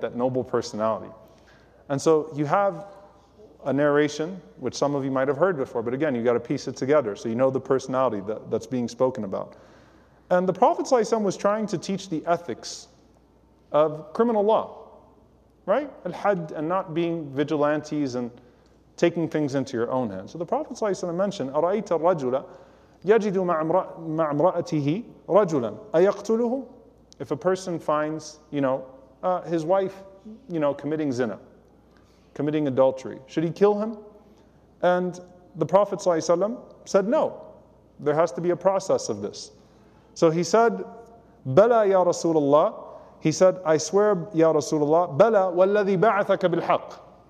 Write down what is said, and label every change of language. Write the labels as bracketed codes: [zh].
[en] That noble personality. And so you have a narration, which some of you might have heard before, but again, you got to piece it together so you know the personality that's being spoken about. And the Prophet ﷺ was trying to teach the ethics of criminal law, right? Al-Hadd, and not being vigilantes and taking things into your own hands. [ar] So the Prophet ﷺ mentioned, أَرَأَيْتَ الرَّجُلَ يَجِدُ مَعْ امْرَأَتِهِ رَجُلًا أَيَقْتُلُهُ. [en] If a person finds, you know, his wife, you know, committing zina, committing adultery, should he kill him? And the Prophet ﷺ said, no, there has to be a process of this. So he said, [ar] Bala ya Rasulullah. [en] He said, I swear, ya Rasulullah, [ar] Bala walladhi ba'athaka bilhaq.